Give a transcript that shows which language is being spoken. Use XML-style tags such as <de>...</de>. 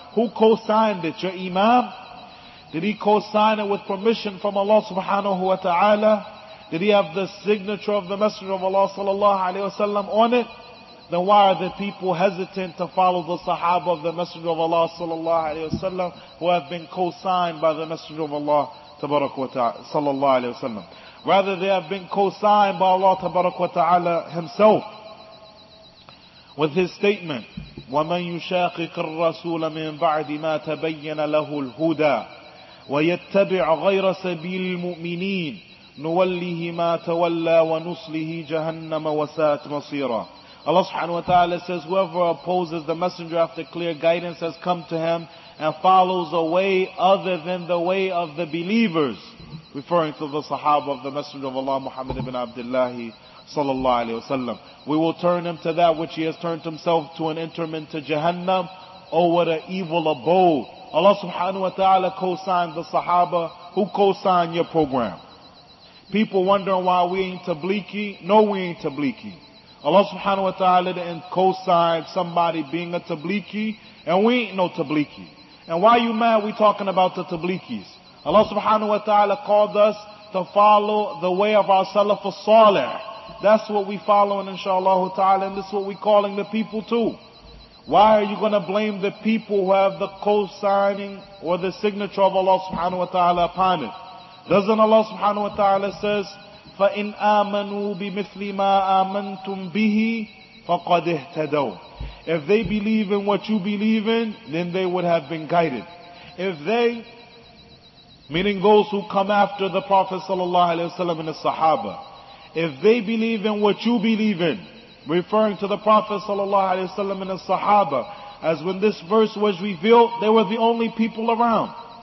<en>Who co-signed it? Your imam? Did he co-sign it with permission from Allah subhanahu wa ta'ala? Did he have the signature of the Messenger of Allah sallallahu alayhi wa sallam on it? Then why are the people hesitant to follow the Sahaba of the Messenger of Allah sallallahu alayhi wa sallam, who have been co-signed by the Messenger of Allah tabarak wa ta'ala sallallahu alayhi wa sallam? Rather, they have been co-signed by Allah tabarak wa ta'ala himself with his statement,</en> <ar>وَمَنْ يُشَاقِقِ الرَّسُولَ مِنْ بَعْدِ مَا تَبَيَّنَ لَهُ الْهُدَى وَيَتَّبِعْ غَيْرَ سَبِيلِ الْمُؤْمِنِينَ نُوَلِّهِ مَا تَوَلَّى وَنُصْلِهِ جَهَنَّمَ وَسَاءَتْ مَصِيرًا.</ar> <en>Allah subhanahu wa ta'ala says, whoever opposes the Messenger after clear guidance has come to him and follows a way other than the way of the believers, referring to the Sahaba of the Messenger of Allah Muhammad ibn Abdullah sallallahu alayhi wa sallam, we will turn him to that which he has turned himself to, an interment to Jahannam. Oh, what an evil abode. Allah subhanahu wa ta'ala co-signed the Sahaba. Who co-signed your program? People wondering why we ain't tabliki. No, we ain't tabliki. Allah subhanahu wa ta'ala didn't co-sign somebody being a tabliki, and we ain't no tabliki. And why are you mad we talking about the tablikis? Allah subhanahu wa ta'ala called us to follow the way of our salaf as-salih. That's what we following, inshallah ta'ala, and this is what we calling the people to. Why are you going to blame the people who have the co-signing or the signature of Allah subhanahu wa ta'ala upon it? Doesn't Allah subhanahu wa ta'ala says,</en> <ar>فَإِنْ آمَنُوا بِمِثْلِ مَا آمَنْتُمْ بِهِ فَقَدْ اِهْتَدَوْا.</ar> <en>If they believe in what you believe in, then they would have been guided. If they, meaning those who come after the Prophet sallallahu alayhi wa sallam and the Sahaba, if they believe in what you believe in, referring to the Prophet sallallahu alayhi wa sallam and the Sahaba, as when this verse was revealed, they were the only people around.</en>